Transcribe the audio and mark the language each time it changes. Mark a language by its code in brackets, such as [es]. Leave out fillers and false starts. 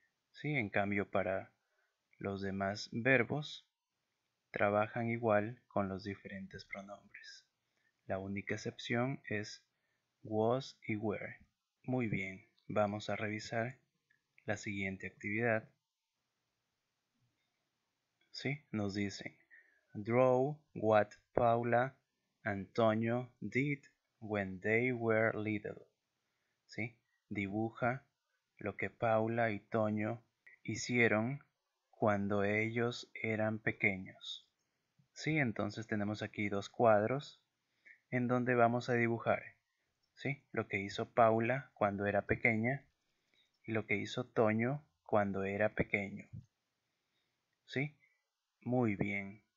[es] Sí, en cambio para los demás verbos trabajan igual con los diferentes pronombres. La única excepción es was y were. Muy bien, vamos a revisar la siguiente actividad. Sí, nos dicen, [en] draw what Paula, Antonio did when they were little. [es] Sí, dibuja lo que Paula y Toño hicieron cuando ellos eran pequeños. Sí, entonces tenemos aquí dos cuadros en donde vamos a dibujar, ¿sí?, lo que hizo Paula cuando era pequeña y lo que hizo Toño cuando era pequeño. ¿Sí? Muy bien.